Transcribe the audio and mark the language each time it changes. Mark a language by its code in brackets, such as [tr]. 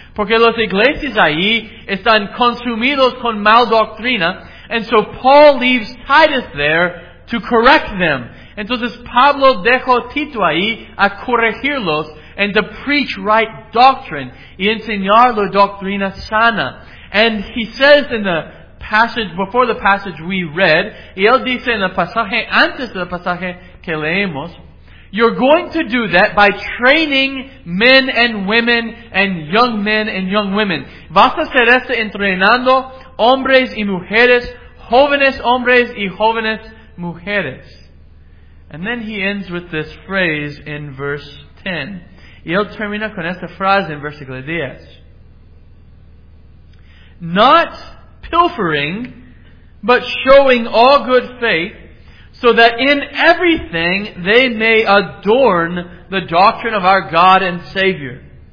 [es] Porque las iglesias ahí están consumidos con mal doctrina. [en] And so Paul leaves Titus there to correct them. [es] Entonces Pablo dejó Tito ahí a corregirlos [en] and to preach right doctrine [es] y enseñar la doctrina sana. [en] And he says in the passage, before the passage we read, [es] y él dice en el pasaje, antes del pasaje que leemos, [en] you're going to do that by training men and women and young men and young women. [es] Vas a hacer esto entrenando hombres y mujeres, jóvenes hombres y jóvenes mujeres. [en] And then he ends with this phrase in verse 10. [es] Y él termina con esta frase en versículo 10. [en] Not pilfering, but showing all good faith, so that in everything they may adorn the doctrine of our God and Savior.